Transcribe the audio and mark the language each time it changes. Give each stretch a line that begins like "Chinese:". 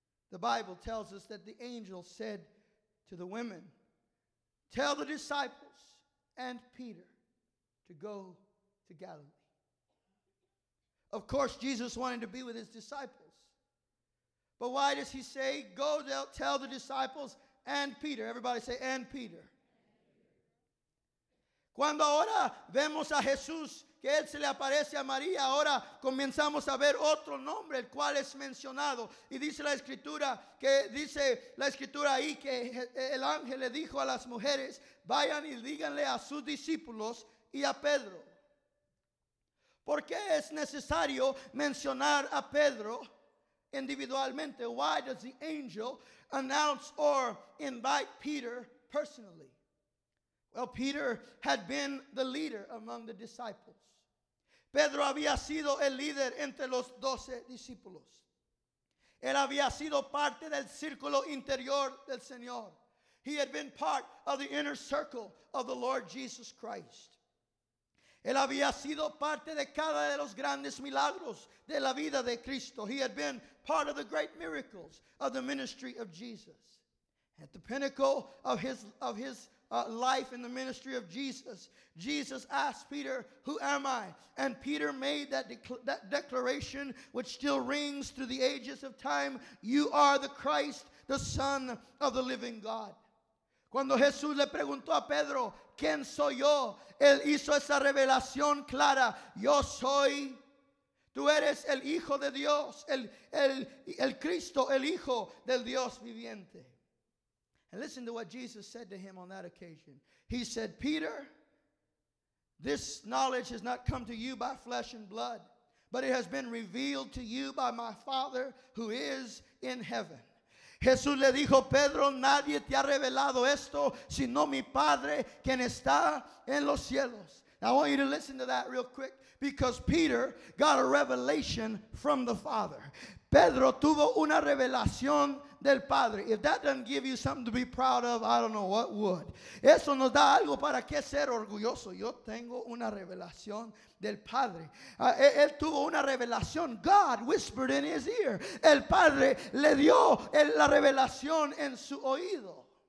English: The Bible tells us that the angel said to the women, tell the disciples and Peter to go to Galilee. Of course, Jesus wanted to be with his disciples. But why does he say, go tell the disciples and Peter? Everybody say, and Peter.
Spanish: Cuando ahora vemos a Jesús, que él se le aparece a María, ahora comenzamos a ver otro nombre, el cual es mencionado. Y dice la escritura, que dice la escritura ahí, que el ángel le dijo a las mujeres, vayan y díganle a sus discípulos y a Pedro. ¿Por qué es necesario mencionar a Pedro individualmente?
English: Why does the angel announce or invite Peter personally? Well, Peter had been the leader among the disciples.
Spanish: Pedro había sido el líder entre los doce discípulos. Él había sido parte del círculo interior del Señor.
English: He had been part of the inner circle of the Lord Jesus Christ.
Spanish: Él había sido parte de cada de los grandes milagros de la vida de Cristo.
English: He had been part of the great miracles of the ministry of Jesus. At the pinnacle of his life in the ministry of Jesus, Jesus asked Peter, who am I? And Peter made that declaration which still rings through the ages of time. You are the Christ, the Son of the living God.
Spanish: Cuando Jesús le preguntó a Pedro, ¿quién soy yo? Él hizo esa revelación clara. Yo soy. Tú eres el Hijo de Dios. El Cristo, el Hijo del Dios viviente.
English: And listen to what Jesus said to him on that occasion. He said, Peter, this knowledge has not come to you by flesh and blood, but it has been revealed to you by my Father who is in heaven.
Spanish: Jesús le dijo, Pedro, nadie te ha revelado esto, sino mi Padre quien está en los cielos.
English: Now I want you to listen to that real quick, because Peter got a revelation from the Father.
Spanish: Pedro tuvo una revelación del Padre.
English: If that doesn't give you something to be proud of, I don't know what would.
Spanish: Eso nos da algo para que ser orgulloso. Yo tengo una revelación del Padre.
English: Él tuvo una revelación. God whispered in his ear.
Spanish: El Padre le dio la revelación en su oído.